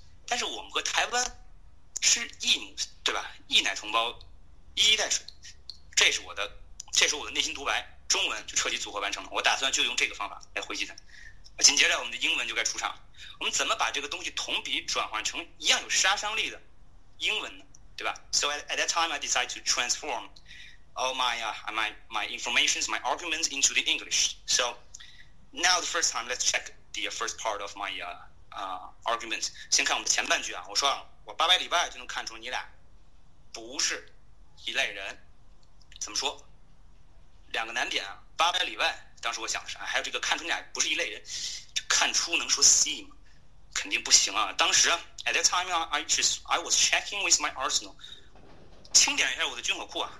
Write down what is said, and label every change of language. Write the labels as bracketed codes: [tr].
[zh] 但是我们和台湾是一母，对吧？一奶同胞，一衣带水，这是我的内心独白，中文就彻底组合完成了。我打算就用这个方法来回击他。紧接着，我们的英文就该出场。我们怎么把这个东西同比转换成一样有杀伤力的英文呢？对吧？ [en] So at that time, I decided to transform all my informations, my arguments into the English. So now the first time, let's check the first part of my arguments. [zh] 先看我们前半句啊，我说啊，我800里外就能看出你俩不是一类人，怎么说？两个难点啊，800里外，当时我想的是，还有这个看出你俩不是一类人，这看出能说 see 吗？肯定不行啊。当时啊 ， [en] at that time I was checking with my arsenal， [zh] 清点一下我的军火库啊。